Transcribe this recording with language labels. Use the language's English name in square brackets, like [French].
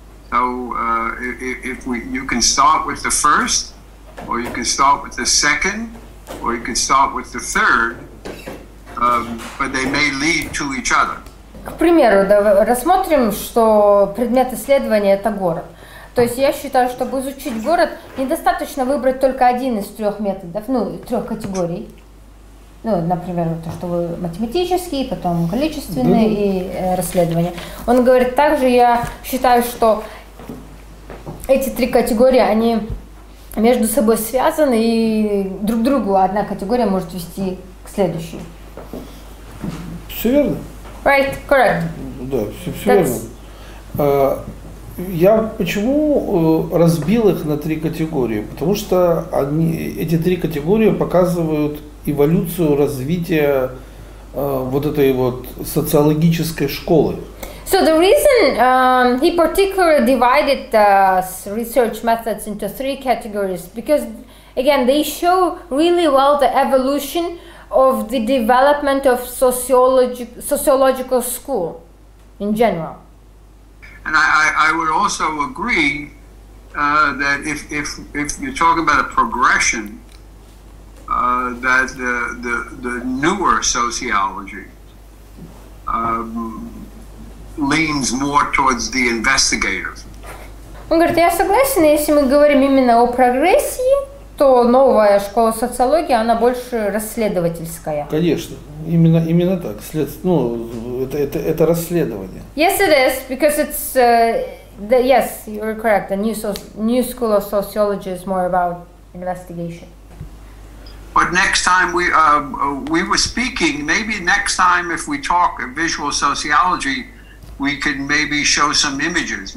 [English] So if you can start with the first, or you can start with the second, or you can start with the third, but they may lead to each other. [Russian] К примеру, давай рассмотрим, что предмет исследования – это город. То есть я считаю, чтобы изучить город, недостаточно выбрать только один из трех методов, ну, трех категорий. ну, например, то, что вы математический, потом количественный и расследование. Он говорит, также я считаю, что эти три категории, они между собой связаны, и друг другу одна категория может вести к следующей. Все верно. [English] Right, correct. [Russian] Да, все верно. Я почему разбил их на три категории? Потому что они, эти три категории показывают эволюцию развития вот этой вот социологической школы. [English] So the reason he particularly divided research methods into three categories because, again, they show really well the evolution of the development of sociological school in general. And I would also agree that if you talk about a progression, that the newer sociology leans more towards the investigator. [Russian] Он говорит, я согласен, если мы говорим именно о прогрессии, то новая школа социологии, она больше расследовательская. Конечно, именно так. Ну, это расследование. [English] Yes, it is, because it's yes, you're correct. The new school of sociology is more about investigation. But next time we were speaking, maybe next time if we talk visual sociology, we could maybe show some images.